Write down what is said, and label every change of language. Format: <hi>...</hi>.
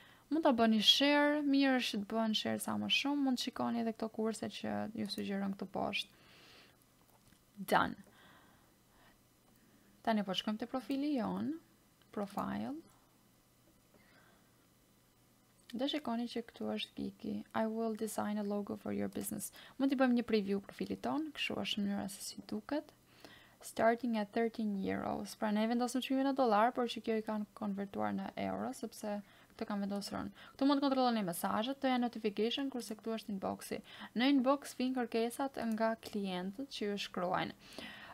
<sq>Mund ta bëni share, mirë është të bëni share sa më shumë. Mund shikoni edhe këto kurse që ju sugjeron këtu poshtë. Done. Tani po shkojmë te profili jon, profile. Dhe shikoni që këtu është Kiki.</sq> <en>I will design a logo for your business.</en> <sq>Mund t'i bëjmë një preview profilit ton, kështu është mënyra se si duket.</sq> <en>Starting at 13 euros.</en> <sq>Pra ne vendosëm çmimin në dollar, por që kjo i kanë konvertuar në euro sepse këtë kanë vendosur unë. Këtu mund të kontrolloni mesazhet, të janë notification kurse këtu është inboxi. Në inbox vijnë kërkesat nga klientët që ju shkruajnë.</sq>